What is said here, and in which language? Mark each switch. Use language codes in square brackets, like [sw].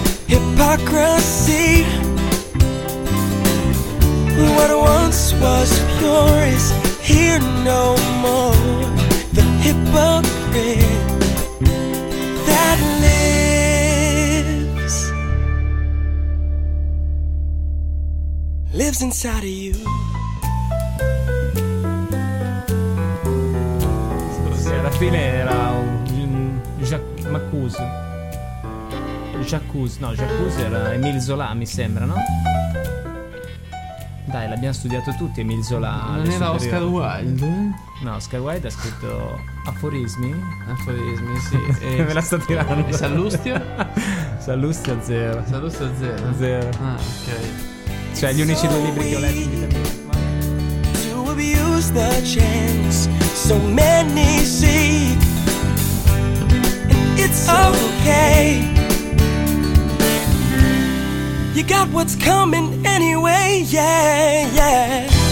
[en] Hypocrisy, what once was pure is here no more. The hypocrite that lives, lives inside of you. [it] Alla fine era un Jacuzzi. Jacuzzi, no, Jacuzzi era Emile Zola, mi sembra, no? Dai, l'abbiamo studiato tutti, Emile Zola. Non era superiori. Oscar Wilde? No, Oscar Wilde ha scritto Aforismi. Aforismi, sì. E me la sta tirando. E Sallustio? Sallustio zero. Sallustio zero? Zero. Ah, ok. Cioè, gli unici due libri che ho letto in vita. [en] To abuse the chance so many see. And it's okay. You got what's coming anyway, yeah, yeah.